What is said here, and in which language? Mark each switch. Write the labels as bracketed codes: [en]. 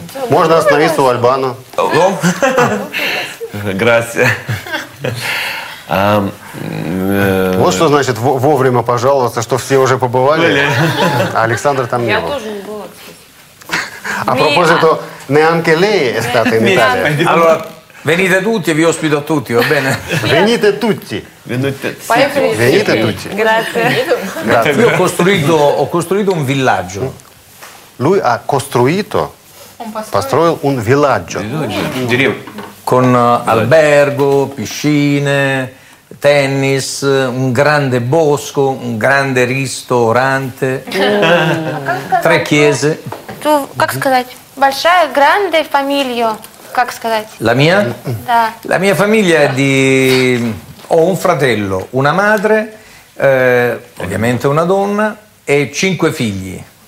[ru] Можно остановиться у Альбана. [it] Grazie. [ru] Вот что значит вовремя пожаловаться, что все уже побывали, а Александр там не был. Я тоже не была. [it] A proposito, neanche lei è stata in Italia. Allora, venite tutti e vi ospito a tutti, va bene? Venite tutti. Venite tutti. Grazie. Io ho costruito un villaggio. Lui ha costruito, построил un villaggio. Con albergo, piscine, tennis, un grande bosco, un grande ristorante, tre chiese. [ru] Tu, как сказать? Большая, [it] grande famiglia, [ru] как сказать? [it] La mia? [ru] Da. [it] La mia famiglia è di... Ho un fratello, una madre, ovviamente una donna, e cinque figli.